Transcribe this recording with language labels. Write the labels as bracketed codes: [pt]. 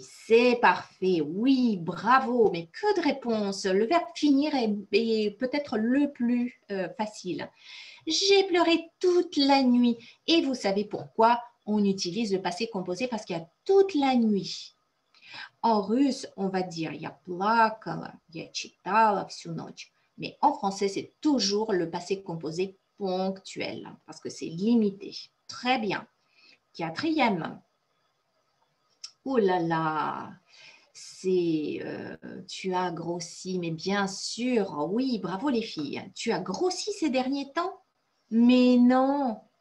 [fr] C'est parfait, oui, bravo, mais que de réponses. Le verbe finir est peut-être le plus facile. J'ai pleuré toute la nuit et vous savez pourquoi? On utilise le passé composé parce qu'il y a toute la nuit. En russe, on va dire « [ru] я плакала, я читала всю ночь ». [fr] Mais en français, c'est toujours le passé composé ponctuel parce que c'est limité. Très bien. Quatrième. Oh là là, tu as grossi, mais bien sûr. Oui, bravo les filles. Tu as grossi ces derniers temps? Mais non.